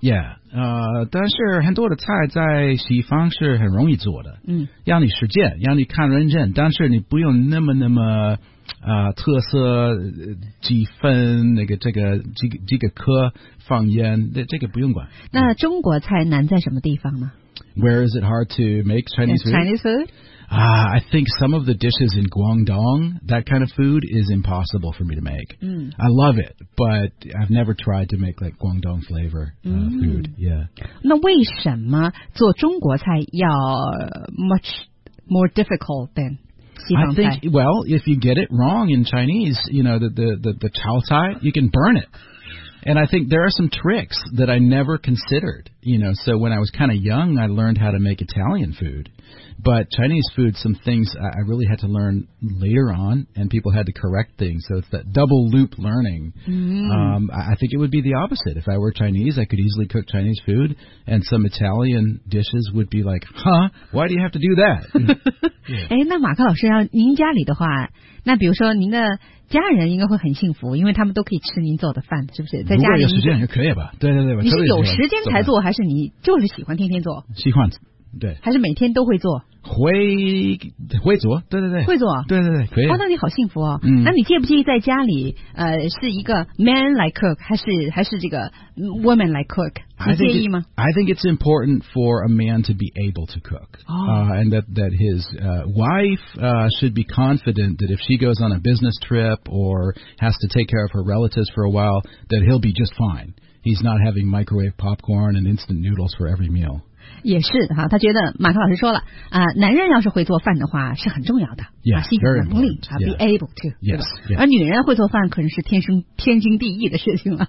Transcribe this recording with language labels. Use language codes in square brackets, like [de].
[zh] Yeah, 但是很多的菜在西方是很容易做的。嗯，要你实践，要你看认证，但是你不用那么特色几分那个这个几个颗放烟，这个不用管。那中国菜难在什么地方呢 [en] ？Where is it hard to make Chinese food? Chinese food? I think some of the dishes in Guangdong, that kind of food is impossible for me to make.、 Mm. I love it, but I've never tried to make like Guangdong flavor、food. Yeah. [zh] 那为什么做中国菜要 [en] much more difficult than [zh] 西方菜? [en] I think, well, if you get it wrong in Chinese, you know, the chow tai, you can burn it. And I think there are some tricks that I never considered, you know. So when I was kind of young, I learned how to make Italian food. But Chinese food, some things I really had to learn later on, and people had to correct things. So it's that double loop learning. Mm-hmm. I think it would be the opposite. If I were Chinese, I could easily cook Chinese food, and some Italian dishes would be like, huh, why do you have to do that? [zh] 哎，那马克老师，要您家里的话，那比如说您的家人应该会很幸福，因为他们都可以吃您做的饭，是不是？在家里如果有时间就可以吧。对对对，你是有时间才做，还是你就是喜欢天天做？喜欢，对。还是每天都会做？会做，对对对。会做，对对对，可以。哦，那你好幸福哦。嗯。那你介不介意在家里，是一个 man 来 cook， 还是这个 woman 来 cook？ 你介意吗 [en] ？I think it's important for a man to be able to cook. And that his wife should be confident that if she goes on a business trip or has to take care of her relatives for a while, that he'll be just fine. He's not having microwave popcorn and instant noodles for every meal. [zh] 也是哈，他觉得马克老师说了啊、男人要是会做饭的话是很重要的 yeah, 啊，是有能力啊 ， [en] be able to， yes, [zh] 对吧？ Yeah. 而女人会做饭可能是天经地义的事情了。